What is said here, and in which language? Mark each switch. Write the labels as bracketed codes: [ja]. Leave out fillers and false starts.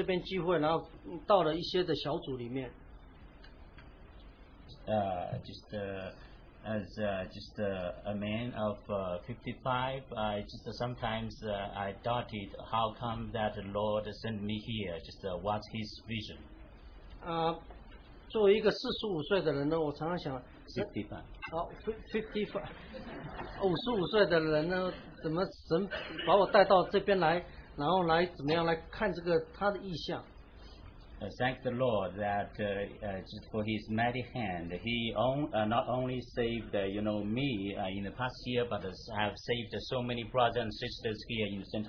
[zh] 就像我们成为一个基督徒呢，不只是呢，好像呢按照一些通常的呢来到这边聚会，然后到了一些的小组里面。 [en] A man of 55, I just sometimes I doubted how come that the Lord sent me here. Just what's his vision? [zh] 作为一个四十五岁的人呢，我常常想，55岁的人呢，怎么神把我带到这边来，然后来怎么样来看这个他的意向？ [en] Thank the Lord that just for His mighty hand, He not only saved me in the past year, but have saved so many brothers and sisters here in the St.